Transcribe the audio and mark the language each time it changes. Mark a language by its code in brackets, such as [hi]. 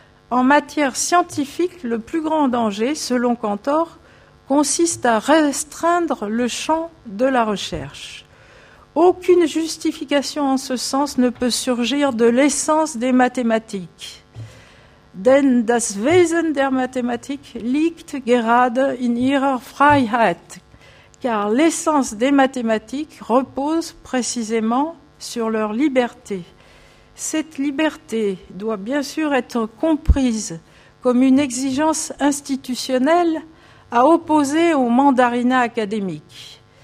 [fr] En matière scientifique, le plus grand danger, selon Cantor, consiste à restreindre le champ de la recherche. Aucune justification en ce sens ne peut surgir de l'essence des mathématiques. [de] Denn das Wesen der Mathematik liegt gerade in ihrer Freiheit. [fr] Car l'essence des mathématiques repose précisément sur leur liberté. Cette liberté doit bien sûr être comprise comme une exigence institutionnelle à opposer au mandarinat académique.